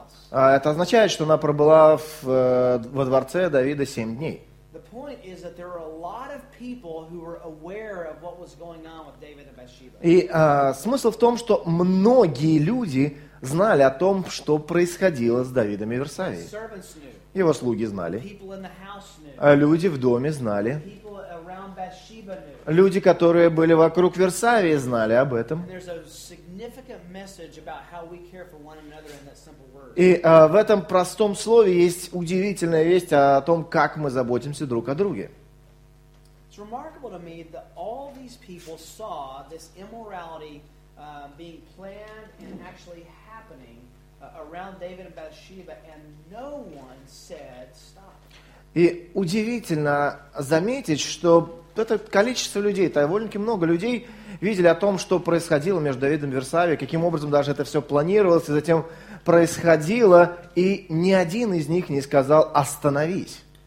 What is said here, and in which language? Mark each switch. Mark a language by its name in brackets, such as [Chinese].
[Russian] Это означает, что она пробыла во дворце Давида 7 дней. [English] The point is that there are a lot of people who were aware of what was going on with David and Bathsheba. [Russian] И смысл в том, что многие люди знали о том, что происходило с Давидом и Версавией. [English] Servants knew. [Russian] Его слуги знали. [English] People in the house knew. [Russian] А люди в доме знали. [English] People around Bathsheba knew. [Russian] Люди, которые были вокруг Версавии, знали об этом. [English] And there's a significant message about how we care for one another in that simple. [Russian] И в этом простом слове есть удивительная весть о том, как мы заботимся друг о друге. [English] It's remarkable to me that all these people saw this immorality being planned and actually happening around David and Bathsheba, and no one said stop. [Russian] И удивительно заметить, что это количество людей, довольно-таки много людей, видели о том, что происходило между Давидом и Версавией, каким образом даже это все планировалось и затем происходило, и ни один из них не сказал остановись.